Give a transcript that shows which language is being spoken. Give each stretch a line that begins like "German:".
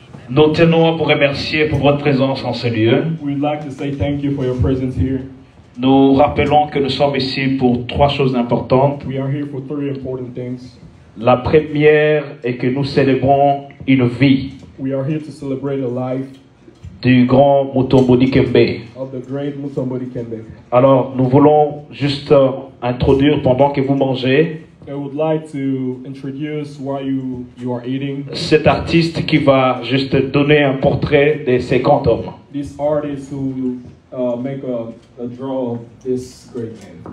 French: Nous tenons à vous remercier pour votre présence en ce lieu.
English: We'd like to say thank you for your presence here.
French: Nous rappelons que nous sommes ici pour trois choses importantes.
English: We are here for three important things.
French: La première est que nous célébrons une vie.
English: We are here to celebrate the life
French: du grand Mutombo Dikembe.
English: Of the great Mutombo Dikembe.
French: Alors, nous voulons juste introduire pendant que vous mangez.
English: I would like to introduce while you are eating.
French: Cet artiste qui va juste donner un portrait de ces grands hommes.
English: This artist who make a draw of this great man.